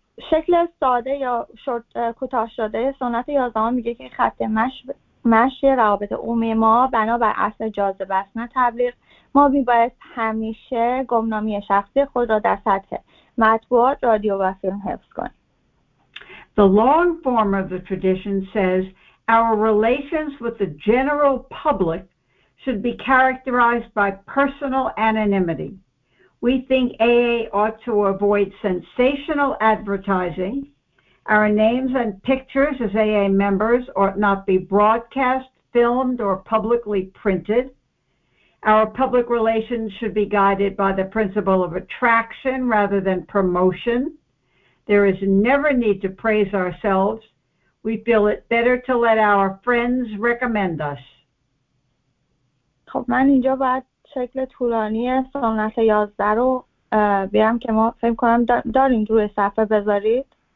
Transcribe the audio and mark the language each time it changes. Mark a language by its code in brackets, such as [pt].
[fa] شکل ساده یا شورت کوتاه شده سنت 11 میگه که خط مشی روابط عمومی ما بنا بر اصل جاذبه است نه تبلیغ. ما میباید همیشه گمنامی شخصی خود را در سطح مطبوعات، رادیو و فیلم حفظ کنیم. [en] The long form of the tradition says our relations with the general public should be characterized by personal anonymity. We think AA ought to avoid sensational advertising. Our names and pictures as AA members ought not be broadcast, filmed, or publicly printed. Our public relations should be guided by the principle of attraction rather than promotion. There is never need to praise ourselves. We feel it better to let our friends recommend us. [fa] خب من اینجا باید شکل طولانی سنت 11 رو بیام که ما فهم کنم داریم روی صفحه بذارید.